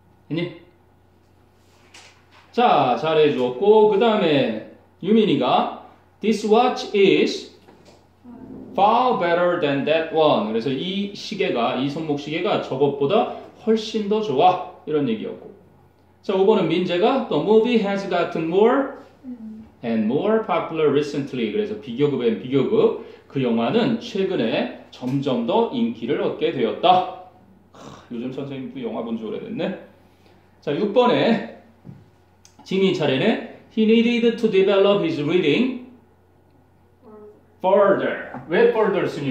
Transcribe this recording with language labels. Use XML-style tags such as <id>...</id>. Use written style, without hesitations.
<ko>했니? 자, 잘해 주었고 그 다음에 유민이가</ko> <en>This watch is far better than that one.</en> <ko>그래서 이 시계가, 이 손목 시계가 저것보다 훨씬 더 좋아. 이런 얘기였고. 자, 5번은 민재가</ko> <en>The movie has gotten more and more popular recently.</en> <ko>그래서 비교급 and 비교급. 그 영화는 최근에 점점 더 인기를 얻게 되었다. 요즘 선생님도 영화 본 지 오래됐네. 자, 6번에 지민 차례네.</ko> <en>He needed to develop his reading further.</en> <ko>왜</ko> <en>further</en> <ko>쓰니?</ko>